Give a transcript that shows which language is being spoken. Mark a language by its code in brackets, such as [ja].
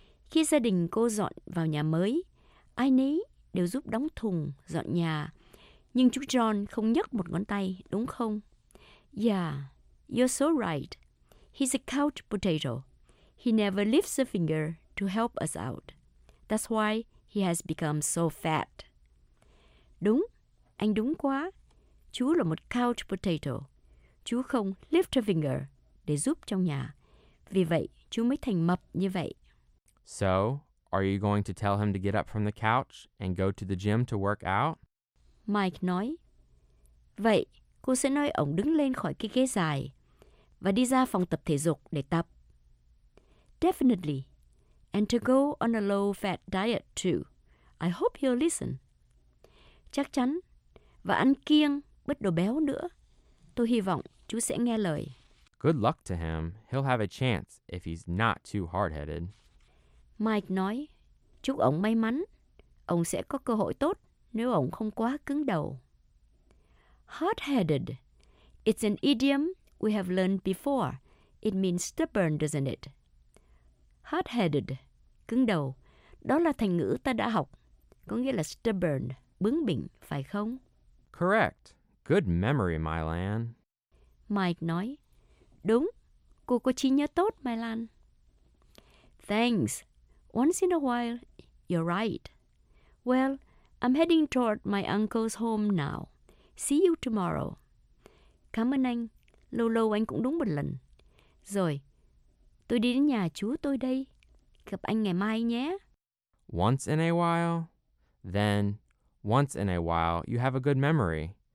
[vi] Khi gia đình cô dọn vào nhà mới, ai nấy đều giúp đóng thùng, dọn nhà. Nhưng chú John không nhấc một ngón tay, đúng không? [en] Yeah, you're so right. He's a couch potato. He never lifts a finger to help us out. That's why he has become so fat. [vi] Đúng, anh đúng quá. Chú là một couch potato. Chú không [en] lift a finger [vi] để giúp trong nhà. Vì vậy, chú mới thành mập như vậy. [en] So, are you going to tell him to get up from the couch and go to the gym to work out? [vi] Mike nói, vậy, cô sẽ nói ông đứng lên khỏi cái ghế dài và đi ra phòng tập thể dục để tập. [en] Definitely. And to go on a low-fat diet too. I hope he'll listen. [vi] Chắc chắn. Và ăn kiêng, bớt đồ béo nữa. Tôi hy vọng chú sẽ nghe lời. [en] Good luck to him. He'll have a chance if he's not too hard-headed. [vi] Mike nói, chúc ông may mắn. Ông sẽ có cơ hội tốt nếu ông không quá cứng đầu. [en] Hard-headed. It's an idiom we have learned before. It means stubborn, doesn't it? [vi] Hard-headed, cứng đầu, đó là thành ngữ ta đã học, có nghĩa là stubborn, bướng bỉnh, phải không? [en] Correct. Good memory, Mylan. [vi] Mike nói, đúng, cô có trí nhớ tốt, Mylan. [en] Thanks. Once in a while, you're right. Well, I'm heading toward my uncle's home now. See you tomorrow. [vi] Cảm ơn anh. Lâu lâu anh cũng đúng một lần. Rồi, tôi đi đến nhà chú tôi đây. Gặp anh ngày mai nhé. [en] Once in a while. Then, once in a while, you have a good memory.